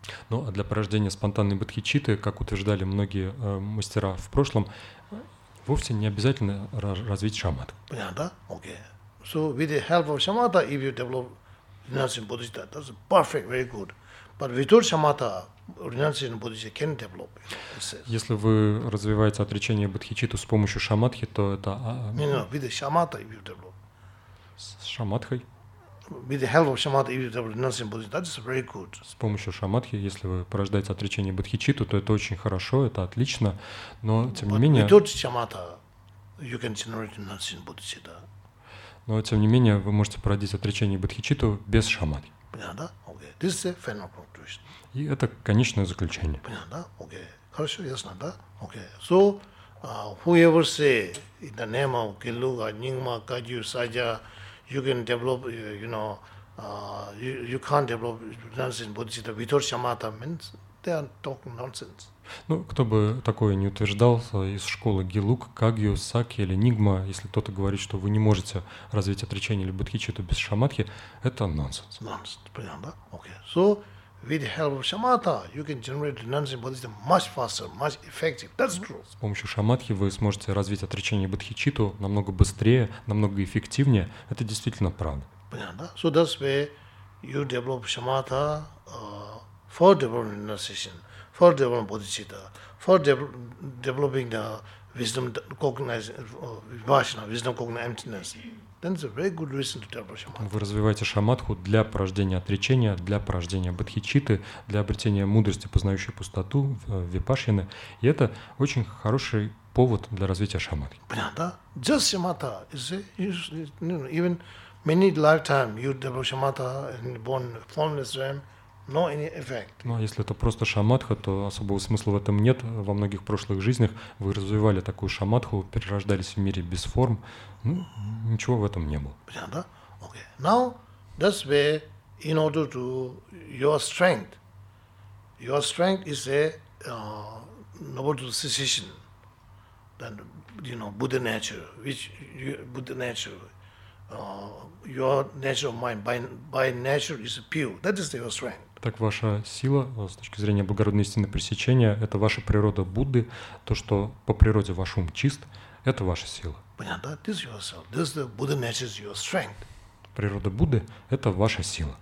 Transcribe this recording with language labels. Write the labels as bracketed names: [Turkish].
[Russian] Ну, а для порождения спонтанной бодхичитты, как утверждали многие мастера в прошлом, вовсе не обязательно развить шамат. Понятно? Okay. [English] So with the help of samatha, if you develop renunciation bodhicitta, that's perfect, very good. But without samatha, renunciation bodhicitta can develop. [Russian] Если вы развиваете отречение бодхичитту с помощью шаматхи, то это... [English] No, with the samatha, if you develop. [Russian] С шаматхой. [English] With the help of samatha, if you develop renunciation bodhicitta, that is very good. [Russian] С помощью шаматхи, если вы порождаете отречение бодхичитту, то это очень хорошо, это отлично. Но тем [English] But [Russian] не менее. [English] Without samatha, you can generate renunciation bodhicitta. [Russian] Но тем не менее, вы можете породить отречение бодхичитту без шаматхи. Понятно? [English] Okay. This is the final conclusion. [Russian] И это конечное заключение. Понятно? [English] Okay. [Russian] Хорошо, ясно, да? [English] Okay. So whoever say in the name of Gelugpa, Nyingma, Kagyu, Sajja. You can develop, you can't develop renunciation bodhicitta without shamatha. Means they are talking nonsense. [Russian] Ну, кто бы такое не утверждал из школы Гелуг, Кагью, Саки или Нигма, если кто-то говорит, что вы не можете развить отречение или бодхичитту без шаматхи, это нонсенс. Nonsense, понятно, да? Okay. [English] So with the help of shamatha, you can generate renunciation bodhicitta much faster, much effective. That's true. [Russian] С помощью шаматхи вы сможете развить отречение бодхичитту намного быстрее, намного эффективнее. Это действительно правда. Понятно, да? [English] So that's where you develop shamatha for developing renunciation, for developing bodhicitta, for developing the wisdom cognizing vipassana, wisdom cognizing emptiness. Then it's a very good reason to develop shamatha. [Russian] Вы развиваете шаматху для порождения отречения, для порождения бодхичитты, для обретения мудрости, познающей пустоту, випашьяны. И это очень хороший повод для развития шаматхи. Понятно, да? [English] Just shamatha. Even many lifetime you develop shamatha and born formless realm, no any effect. [Russian] Ну, а если это просто шаматха, то особого смысла в этом нет. Во многих прошлых жизнях вы развивали такую шаматху, перерождались в мире без форм. Ну, ничего в этом не было. Понятно, да? Okay. [English] Now, that's where, in order to your strength is a noble truth cessation, then, you know, Buddha nature, which you, Buddha nature, your nature of mind, by nature is pure. That is your strength. [Russian] Так ваша сила, с точки зрения благородной истины пресечения, это ваша природа Будды, то, что по природе ваш ум чист, это ваша сила. Понятно, да? [English] This is yourself. This is the Buddha nature's your strength. [Russian] Природа Будды – это ваша сила.